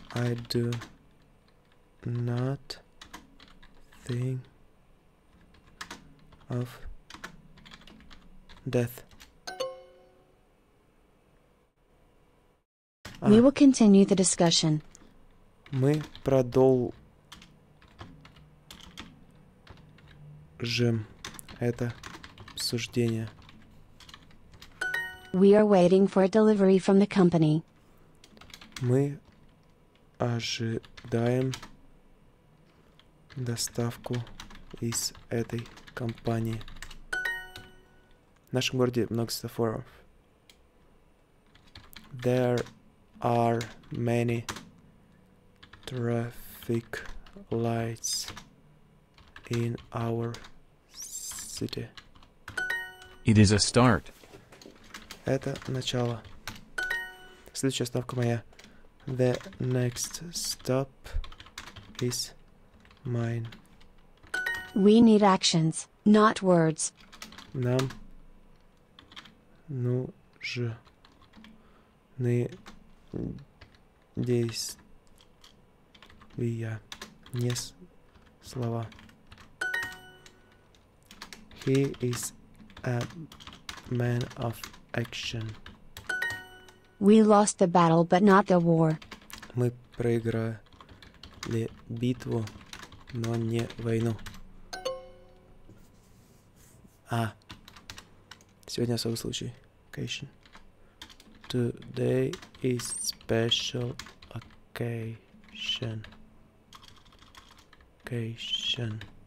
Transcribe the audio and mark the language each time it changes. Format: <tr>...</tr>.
<en>I do not think of death. We will continue the discussion.</en> <ru>Мы продолжим это обсуждение.</ru> <en>We are waiting for a delivery from the company.</en> <ru>Мы ожидаем доставку из этой компании. В нашем городе много светофоров.</ru> <en>There are many traffic lights in our city. It is a start.</en> <ru>Это начало. Следующая остановка моя.</ru> <en>The next stop is mine. We need actions, not words.</en> <ru>Нам нужны действия, не слова.</ru> <en>He is a man of action. We lost the battle, but not the war.</en> <ru>Мы проиграли битву, но не войну. А сегодня особый случай.</ru> <en>Occasion. Today is special occasion. Occasion.</en>